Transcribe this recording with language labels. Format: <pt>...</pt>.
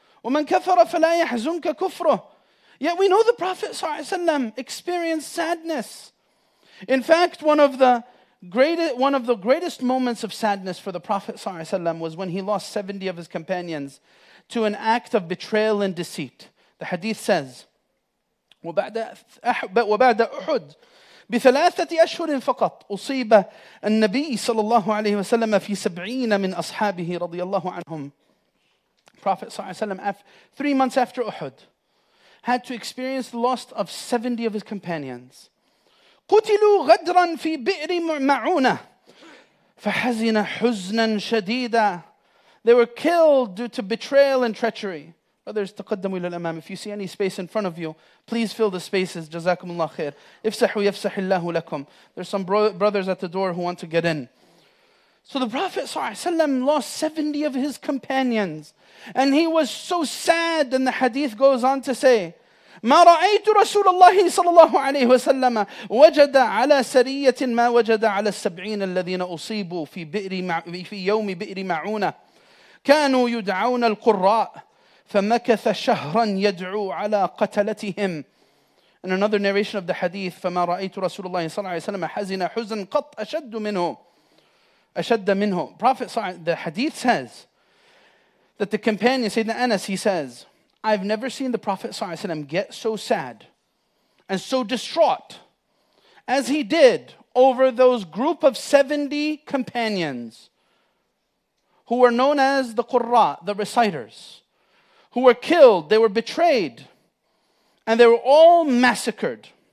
<ar>وَمَنْ كَفَرَ فَلَا يَحْزُنْكَ كُفْرُهُ.</ar> <en>Yet we know the Prophet ﷺ experienced sadness. In fact, one of the greatest moments of sadness for the Prophet ﷺ was when he lost 70 of his companions to an act of betrayal and deceit. The hadith says,</en> <ar>وَبَعْدَ أُحُدْ بِثَلَاثَةِ أَشْهُرٍ فَقَطْ أُصِيبَ النَّبِيِّ صَلَى اللَّهُ عَلَيْهِ وَسَلَّمَ فِي سَبْعِينَ مِنْ أَصْحَابِهِ رَضِيَ اللَّهُ عَنْهُمْ.</ar> <en>Prophet ﷺ, 3 months after Uhud, had to experience the loss of 70 of his companions.</en> <ar>قُتِلُوا غَدْرًا فِي بِئْرِ مَعُونَ فَحَزِنَ حُزْنًا شَدِيدًا.</ar> <en>They were killed due to betrayal and treachery.</en> <ar>Brothers, تَقَدَّمُوا إِلَى الْأَمَامِ.</ar> <en>If you see any space in front of you, please fill the spaces.</en> <ar>جَزَاكُمُ اللَّهُ خَيْرٍ. اِفْسَحُوا يَفْسَحِ اللَّهُ لَكُمْ.</ar> <en>There's some brothers at the door who want to get in. So the Prophet ﷺ lost 70 of his companions. And he was so sad. And the hadith goes on to say,</en> <ar>مَا رَأَيْتُ رَسُولَ اللَّهِ صَلَى اللَّهُ عَلَيْهُ وَسَلَّمَ وَجَدَ عَلَى سَرِيَّةٍ مَا وَجَدَ عَلَى السَّبْعِينَ الَّذِينَ أُصِيبُوا فِي يَوْمِ بِئْرِ مَعُونَ كَانُوا يُدْعَوْنَ الْقُرَّاءِ فَمَكَثَ شَهْرًا يَدْعُوا عَلَى قَتَلَتِهِمْ.</ar> <en>In another narration of the hadith,</en> <ar>فَمَا رَأَيْتُ رَسُولَ اللَّهِ صَلَى اللَّهُ عَلَيْهُ وَسَلَّمَ حَزِنَ حُزْنًا قَطْ أَشَدُّ مِنْهُ.</ar> <en>Prophet, the hadith says that the companion, Sayyidina Anas, he says, I've never seen the Prophet ﷺ get so sad and so distraught as he did over those group of 70 companions who were known as the Qurra, the reciters, who were killed, they were betrayed, and they were all massacred</en>